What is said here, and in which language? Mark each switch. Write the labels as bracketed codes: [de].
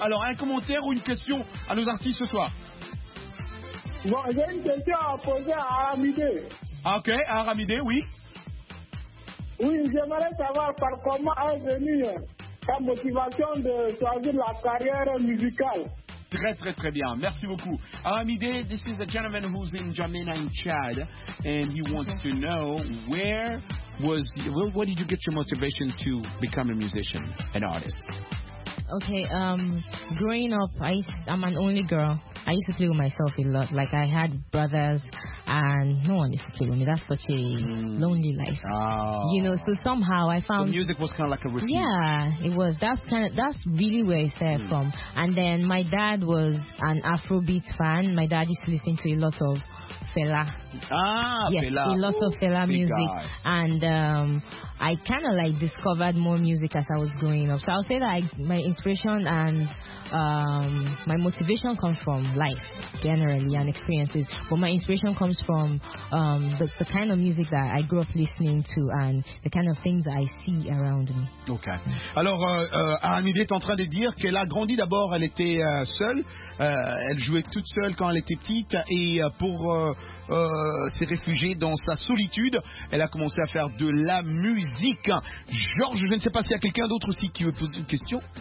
[fr] Alors, un commentaire ou une question à nos artistes ce soir? Bon, j'ai une question à poser à Aramidé. Ah, ok, à Aramidé, oui. Oui, j'aimerais savoir par comment est venue ta motivation de choisir la carrière musicale. Très, très, très bien. Merci beaucoup. [en] Aramidé, this is a gentleman who's in Jamaica in Chad, and he wants to know where... Where did you get your motivation to become a musician, an artist? Okay, growing up, I'm an only girl. I used to play with myself a lot. Like, I had brothers, and no one used to play with me. That's such a lonely life. Oh. You know, so somehow I found... So music was kind of like a routine. Yeah, it was. That's really where it started from. And then my dad was an Afrobeat fan. My dad used to listen to a lot of Fela. Ah, yes, Fela. Yes, a lot of Fela music. And I kind of like discovered more music as I was growing up. So I'll say that my inspiration and my motivation comes from life generally and experiences. But my inspiration comes from the kind of music that I grew up listening to and the kind of things I see around me. Okay. [fr] Alors, Aramidé est en train de dire qu'elle a grandi d'abord, elle était seule. Elle jouait toute seule quand elle était petite et pour s'est réfugiée dans sa solitude. Elle a commencé à faire de la musique. Georges, je ne sais pas s'il y a quelqu'un d'autre aussi qui veut poser une question.